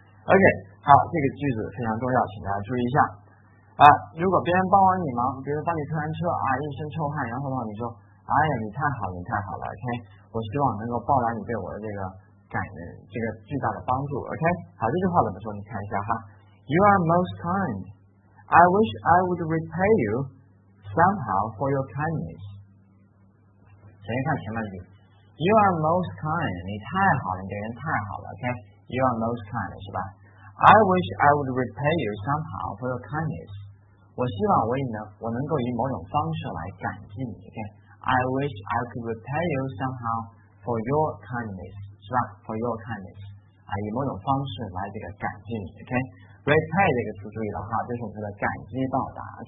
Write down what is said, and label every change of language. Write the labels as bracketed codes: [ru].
[zh] OK, 好，这个句子非常重要，请大家注意一下。啊，如果别人帮完你忙，比如帮你推完车啊，一身臭汗，然后呢，你说，哎呀，你太好了，你太好了。OK, 我希望能够报答你对我的这个感恩，这个巨大的帮助。 OK, 好，这句话怎么说？你看一下哈。 [en] You are most kind. I wish I would repay you somehow for your kindness. [zh] 先看前面一句。 [en] You are most kind. [zh] 你太好了，你对人太好了。 [en] Okay, you are most kind, [zh] 是吧 [en] ？I wish I would repay you somehow for your kindness. [zh] 我希望我能够以某种方式来感激你。 [en] Okay, I wish I could repay you somehow for your kindness, [zh] 是吧 [en] ？For your kindness, [zh] 啊，以某种方式来这个感激你。 Okay, repay 这个词注意了哈，就是我们说的感激报答。